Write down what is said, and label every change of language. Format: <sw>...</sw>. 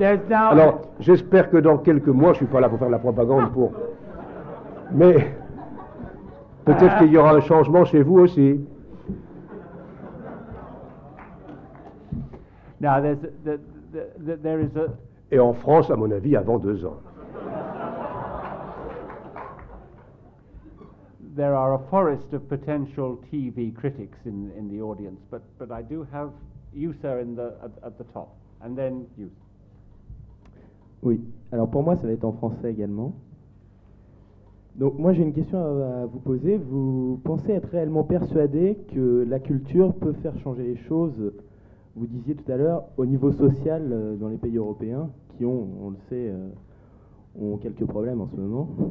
<fr>Alors, j'espère que dans quelques mois, je ne suis pas là pour faire de la propagande, mais peut-être qu'il y aura un changement chez vous aussi.</fr> <en>Now, there is a...</en> <fr>Et en France, à mon avis, avant deux ans.</fr> <en>There are a forest of potential TV critics in the audience, but I do have you, sir, in the at the top, and then you.</en> <fr>Oui. Alors pour moi, ça va être en français également. Donc moi, j'ai une question à vous poser. Vous pensez être réellement persuadé que la culture peut faire changer les choses, vous disiez tout à l'heure, au niveau social dans les pays européens, qui ont, on le sait, ont quelques problèmes en ce moment.</fr>